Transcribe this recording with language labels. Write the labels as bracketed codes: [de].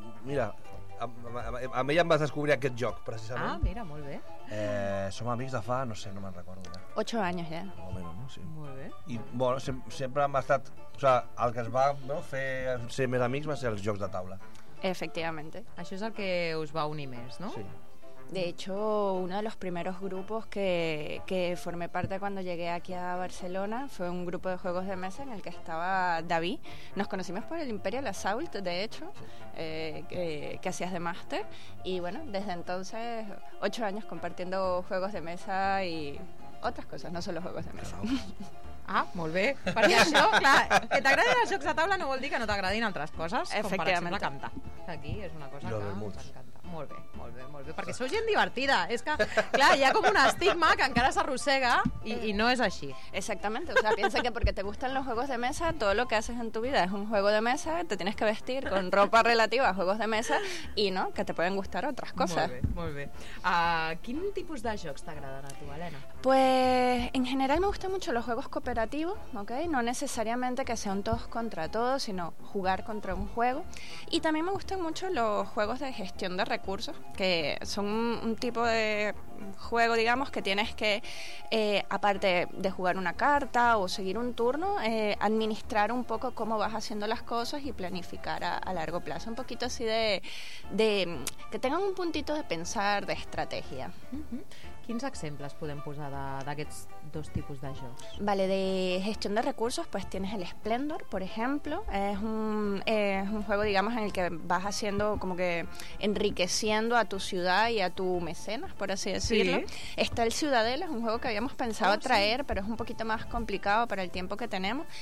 [ca] Mira, amb ella em vas descobrir aquest joc, precisament. Ah, mira, molt bé. Som amics de fa, no sé, no me'n recordo. Ja. 8 anys, ja. O menys, no? Sí. Molt bé. I, bueno, sempre hem estat... O sea, el que es va fer ser més amics va ser els jocs de taula. Efectivament. Això és el que us va unir més, no? Sí. [es] De hecho, uno de los primeros grupos que formé parte cuando llegué aquí a Barcelona fue un grupo de juegos de mesa en el que estaba David. Nos conocimos por el Imperial Assault, de hecho, que hacías de máster. Y bueno, desde entonces, 8 años compartiendo juegos de mesa y otras cosas, no solo juegos de mesa. [ca] Ah, molt bé. Perquè això, clar, que t'agradin els jocs de taula no vol dir que no t'agradin altres coses, com per exemple cantar. Aquí és una cosa que m'encanta. Molt bé, molt bé, molt bé. Perquè sou gent divertida. És que, clar, hi ha com un estigma que encara s'arrossega i no és així. Exactament. [es] O sea, piensa que porque te gustan los juegos de mesa, todo lo que haces en tu vida es un juego de mesa, te tienes que vestir con ropa relativa a juegos de mesa y no, que te pueden gustar otras cosas. [ca] Molt bé, molt bé. Quin tipus de jocs t'agraden a tu, Helena? [es] Pues, en general me gustan mucho los juegos cooperativo, ¿okay? No necesariamente que sean todos contra todos, sino jugar contra un juego. Y también me gustan mucho los juegos de gestión de recursos, que son un tipo de juego, digamos, que tienes que, aparte de jugar una carta o seguir un turno, administrar un poco cómo vas haciendo las cosas y planificar a largo plazo. Un poquito así de que tengan un puntito de pensar, de estrategia. Uh-huh. [ca] ¿Quins exemples podem posar d'aquests dos tipus de jocs? [es] Vale, de gestión de recursos, pues tienes el Splendor, por ejemplo. Es un juego, digamos, en el que vas haciendo como que enriqueciendo a tu ciudad y a tu mecenas, por así decirlo. Sí. Está el Ciudadela, es un juego que habíamos pensado traer, sí, pero es un poquito más complicado para el tiempo que tenemos.